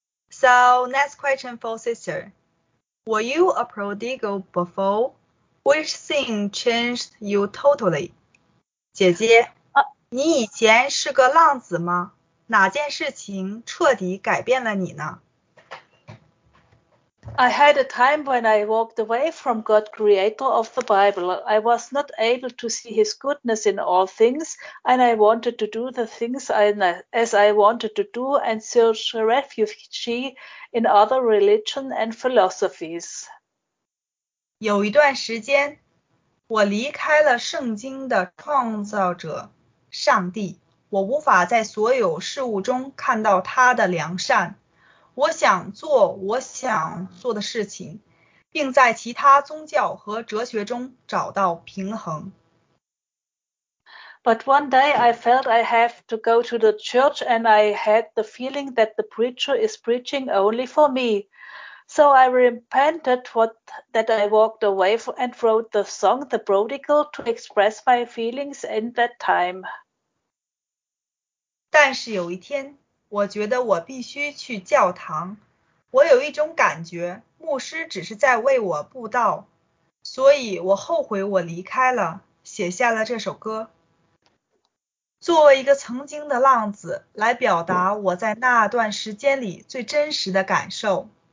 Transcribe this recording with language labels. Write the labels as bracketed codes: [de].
[en] So, next question for sister. Were you a prodigal before? Which thing changed you totally? [zh] 姐姐，你以前是个浪子吗？哪件事情彻底改变了你呢？ [en] I had a time when I walked away from God, creator of the Bible. I was not able to see his goodness in all things, and I wanted to do the things as I wanted to do and search refuge in other religion and philosophies. [zh] 有一段时间，我离开了圣经的创造者上帝，我无法在所有事物中看到他的良善。我想做我想做的事情，并在其他宗教和哲学中找到平衡。 [en] But one day I felt I have to go to the church, and I had the feeling that the preacher is preaching only for me. So I repented that I walked away and wrote the song The Prodigal to express my feelings in that time. [zh] 但是有一天，我觉得我必须去教堂。我有一种感觉，牧师只是在为我布道，所以我后悔我离开了，写下了这首歌。作为一个曾经的浪子，来表达我在那段时间里最真实的感受。